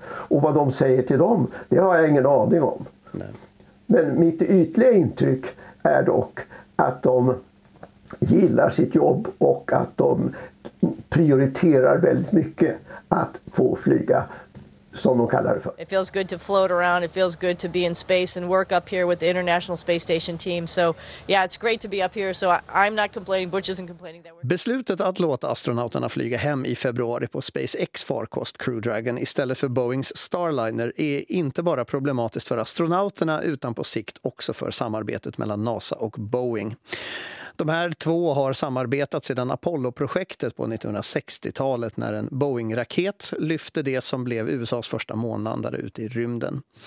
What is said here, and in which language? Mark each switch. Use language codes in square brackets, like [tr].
[sv] Och vad de säger till dem, det har jag ingen aning om. Nej. Men mitt ytliga intryck är dock att de gillar sitt jobb och att de prioriterar väldigt mycket att få flyga, som de kallar det för. [en] It feels good to float around. It feels good to be in space and work up here with the International Space Station team. So, yeah, it's great to be up here. So I'm not complaining. Butch isn't complaining that we're... [sv] Beslutet att låta astronauterna flyga hem i februari på SpaceX farkost Crew Dragon istället för Boeings Starliner är inte bara problematiskt för astronauterna utan på sikt också för samarbetet mellan NASA och Boeing. De här två har samarbetat sedan Apollo-projektet på 1960-talet när en Boeing-raket lyfte det som blev USAs första månlandare ut i rymden.